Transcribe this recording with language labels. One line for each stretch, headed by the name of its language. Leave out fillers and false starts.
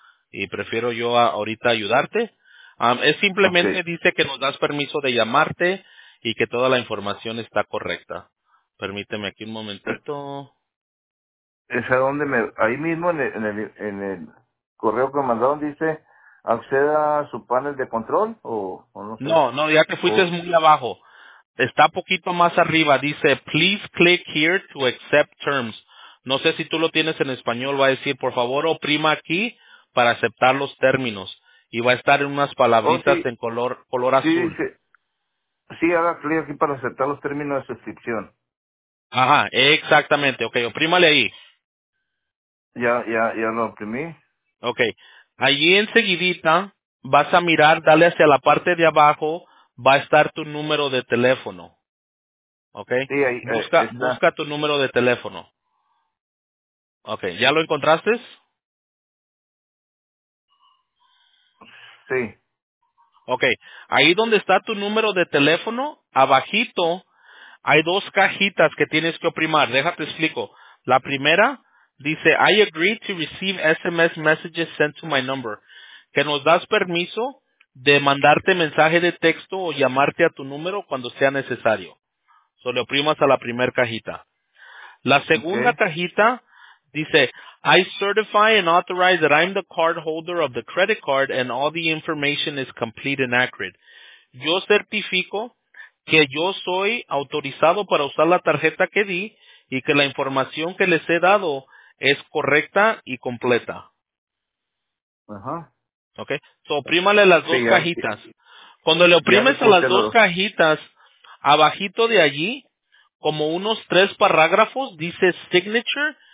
Spanish: Y prefiero yo ahorita ayudarte. Es simplemente, okay, dice que nos das permiso de llamarte y que toda la información está correcta. Permíteme aquí un momentito. ¿Es a dónde me...? Ahí mismo en el correo que me mandaron dice, ¿acceda a su panel de control o no sé? No, ya que fuiste muy abajo. Está poquito más arriba. Dice,
English: please click here to accept terms.
Spanish: No sé si tú lo tienes en español. Va a decir, por favor, oprima aquí para aceptar los términos. Y va a estar en unas palabritas en color azul. Sí, haga clic aquí para aceptar los términos de suscripción. Ajá, exactamente. Okay, oprímale ahí. Ya lo oprimí. Okay. Allí enseguidita vas a mirar, dale hacia la parte de abajo, va a estar tu número de teléfono. Okay. Sí, ahí. Busca tu número de teléfono. Okay, ¿ya lo encontraste? Sí. Okay. Ahí donde está tu número de teléfono, abajito, hay dos cajitas que tienes que oprimar. Déjate explico. La primera dice,
English: I agree to receive SMS messages sent to my number.
Spanish: Que nos das permiso de mandarte mensaje de texto o llamarte a tu número cuando sea necesario. So, le oprimas a la primera cajita. La segunda cajita dice,
English: I certify and authorize that I'm the cardholder of the credit card and all the information is complete and accurate.
Spanish: Yo certifico que yo soy autorizado para usar la tarjeta que di y que la información que les he dado es correcta y completa. Ajá. Okay. So, oprímale las dos cajitas. Cuando le oprimes a las dos cajitas, abajito de allí, como unos tres parágrafos, dice signature.